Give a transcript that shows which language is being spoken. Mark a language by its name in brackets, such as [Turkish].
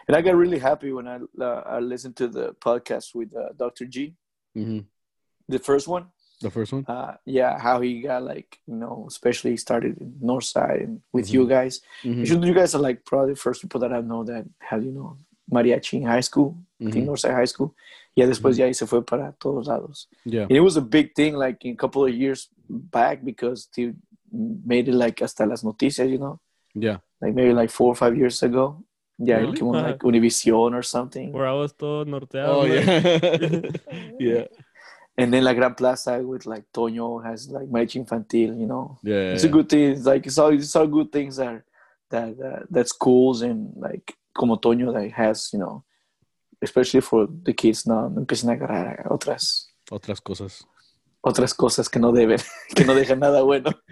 [English] And I got really happy when I listened to the podcast with Dr. G, mm-hmm. The first one. Yeah, how he got like, you know, especially started in Northside and with mm-hmm. you guys. Mm-hmm. You guys are like probably the first people that I know that had, you know, mariachi in high school, mm-hmm. I think Northside High School. Yeah, [Spanish] después mm-hmm. ya se fue para todos lados. [English] Yeah, and it was a big thing like in a couple of years back because the made it like [Spanish] hasta las noticias, [English] you know. Yeah. like maybe like 4 or 5 years ago. Yeah, really? Came on like Univision or something. Where I was [Spanish] todo norteado. [English] Oh, like. Yeah. Yeah. And then La Gran Plaza with like Toño has like Mariachi Infantil, you know. Yeah. It's yeah. a good thing. It's like it's all good things that schools and like [Spanish] como [English] Toño that has, you know, especially for the kids now, [Spanish] empiezan a agarrar otras. Otras cosas. Otras cosas que no deben, que no dejan nada bueno.